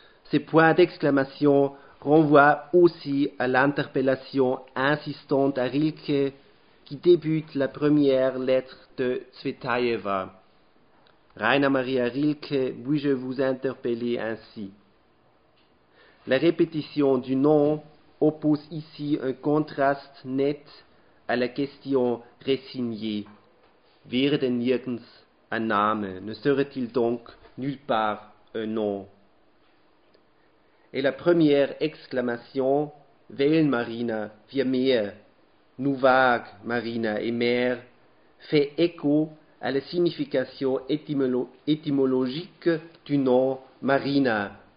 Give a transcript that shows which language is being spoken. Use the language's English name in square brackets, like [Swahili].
[French] Ces points d'exclamation renvoient aussi à l'interpellation insistante à Rilke qui débute la première lettre de Tsvetaeva. Rainer Maria Rilke, puis-je vous interpeller ainsi? La répétition du nom oppose ici un contraste net à la question résignée. [German] Wäre denn nirgends ein Name? [French] Ne serait-il donc nulle part un nom? Et la première exclamation, [German] Wellen Marina, wir Meer, [French] nous vagues Marina et mer, fait écho à la signification étymologique du nom Marina.